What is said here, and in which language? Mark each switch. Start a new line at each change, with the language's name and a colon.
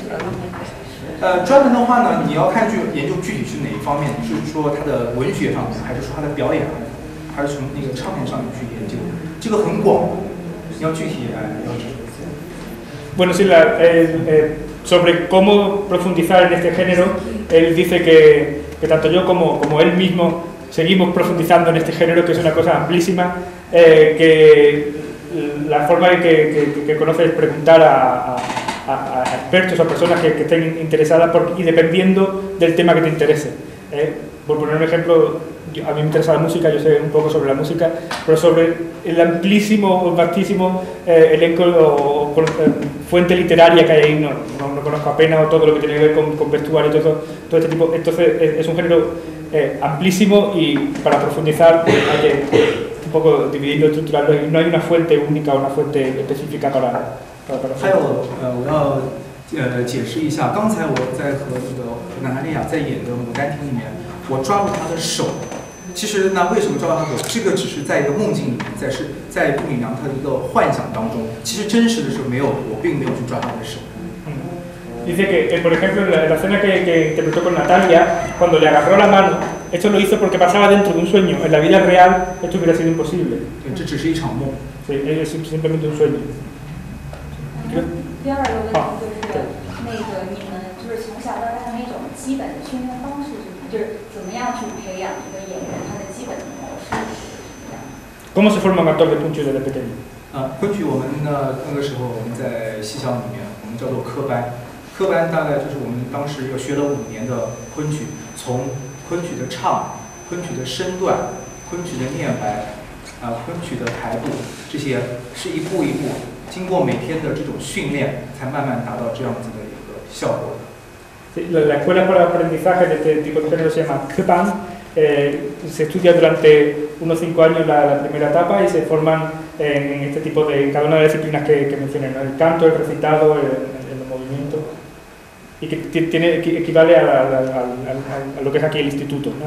Chinese: 就是那大陆没有在专门去研究这个方面。专门的话呢，你要看具研究具体是哪一方面，是说它的文学上面，还是说它的表演，还是从那个唱片上面去研究，这个很广。要具体来描述。
Spanish: Bueno, sí, sobre cómo profundizar en este género, él dice que tanto yo como él mismo seguimos profundizando en este género, que es una cosa amplísima, que la forma que conoce es preguntar a expertos o a personas que estén interesadas y dependiendo del tema que te interese. Por poner un ejemplo, a mí me interesa la música, yo sé un poco sobre la música, pero sobre el amplísimo, vastísimo elenco o fuente literaria que hay ahí, no conozco apenas todo lo que tiene que ver con vestuario y todo este tipo. Entonces es un género amplísimo y para profundizar hay que un poco dividirlo, estructurarlo, y no hay una fuente única o una fuente específica para hacerlo.
Chinese: 解释一下，刚才我在和那个娜塔莉亚在演的《牡丹亭》里面，我抓住她的手。其实那为什么抓住她的手？这个只是在一个梦境里面，在顾敏娘她的一个幻想当中。其实真实的时候没有，我并没有去抓她的手。
Spanish: Dice que, por ejemplo, la escena que interpretó con Natalia, cuando le agarró la mano, esto lo hizo porque pasaba dentro de un sueño. En la vida real esto hubiera sido imposible.
Chinese: 对，这只是一场梦。
Spanish: Sí, es simplemente un sueño.
Chinese: 第二个问题就是，那个你们就是从小到大的那种基本的训练方式是什么？就是怎么样去培养一个演员他的基本的模式是
Spanish: ？¿Cómo se forma un actor de punch desde pequeño？
Chinese: 啊，昆曲我们的那个时候我们在戏校里面，我们叫做科班，科班大概就是我们当时要学了五年的昆曲，从昆曲的唱、昆曲的身段、昆曲的念白、昆曲的排布，这些是一步一步。经过每天的这种训练，才慢慢达到这样子的一个效果的。
Spanish: Sí, la escuela para el aprendizaje de este tipo de género se llama Kepan. Se estudia durante unos 5 años la primera etapa y se forman en este tipo de cada una de las disciplinas que mencioné, ¿no? El canto, el recitado, el movimiento y que tiene equivale a lo que es aquí el instituto, ¿no?